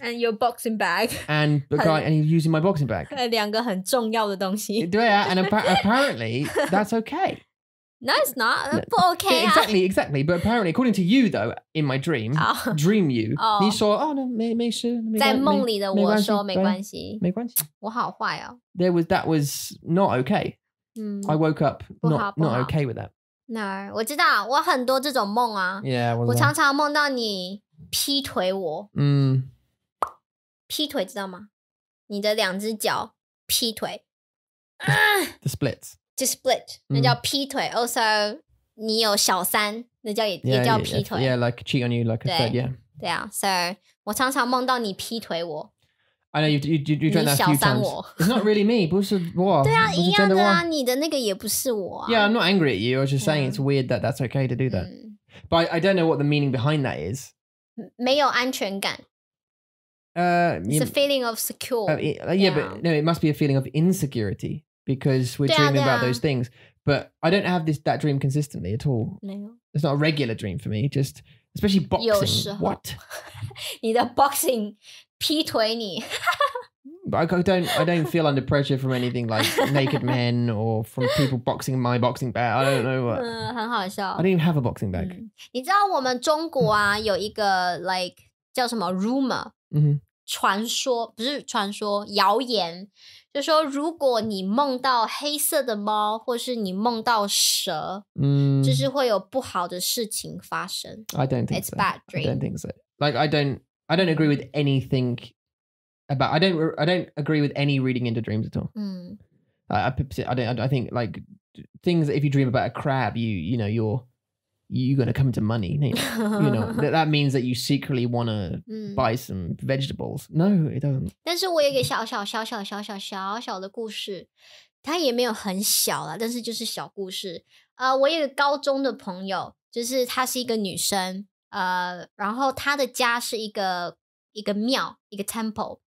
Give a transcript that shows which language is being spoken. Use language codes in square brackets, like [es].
[en] And your boxing bag. And the guy, and he's using my boxing bag. [zh] 两个很重要的东西. [en] Yeah, and apparently, that's okay. No, it's not. But okay. Yeah, exactly. But apparently, according to you, though, in my dream, you saw, oh, no, may sure. [zh] 在梦里的我说没关系。没关系。我好坏哦。 [en] That was not okay. I woke up not okay with that. [zh] No, 我知道,我很多这种梦啊。Yeah, 我常常梦到你劈腿我。劈腿知道吗? 你的两只脚劈腿。 [en] The splits. To split, [zh] 那叫劈腿. [en] Also, [zh] 你有小三, 那叫也叫劈腿. [en] Yeah, like cheat on you, like a third, yeah. [zh] 对啊, so, 我常常梦到你劈腿我. [en] I know, you drank that a few times. It's not really me, [zh] 不是我. 对啊, 一样的啊, 你的那个也不是我啊. [en] Yeah, I'm not angry at you, I was just saying it's weird that that's okay to do that. But I don't know what the meaning behind that is. [zh] 没有安全感. [en] It's a feeling of secure. Yeah, but no, it must be a feeling of insecurity. Because we're dreaming about those things. But I don't have that dream consistently at all. No. It's not a regular dream for me. Just, especially boxing. What? [zh] 你的boxing劈腿你. [en] I don't feel under pressure from anything like naked men or from people boxing my boxing bag. I don't know what. [zh] 很好笑. [en] I don't even have a boxing bag. [zh] 你知道我们中国啊, 有一个, like, 叫什么, rumor, 传说, 不是传说, 谣言, 就说如果你梦到黑色的猫, 或是你梦到蛇, 就是会有不好的事情发生. [en] I don't think it's so. It's bad dream. I don't think so. Like, I don't agree with anything about, I don't agree with any reading into dreams at all. I think like things, if you dream about a crab, you know you're gonna come into money, you know. that means that you secretly wanna buy some vegetables. No, it doesn't. [zh] 但是我有一个小小的故事，它也没有很小啦，但是就是小故事。我有一个高中的朋友，就是她是一个女生，然后她的家是一个庙，一个 temple。